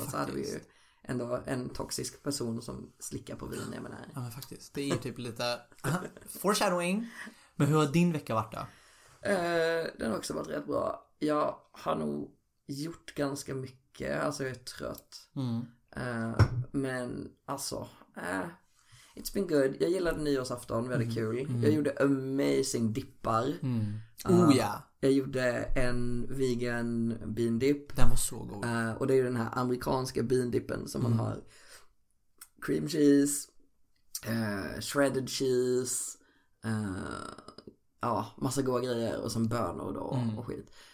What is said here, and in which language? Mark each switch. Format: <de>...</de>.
<sv>så hade vi ju ändå en toxisk person som slickar på vin, jag menar. Ja, men faktiskt, det är ju typ lite foreshadowing. Men hur har din vecka varit då? Den har också varit rätt bra. Jag har nog gjort ganska mycket, alltså jag är trött. Mm. Men alltså,</sv> <en>it's been good.</en> <sv>Jag gillade nyårsafton, väldigt kul. Mm. Jag gjorde amazing dippar. Mm. Oh ja. Jag gjorde en vegan bean dip. Den var så god. Och det är ju den här amerikanska bean dippen som man har cream cheese, shredded cheese, ja, massa goda grejer och sen bönor då och skit.</sv>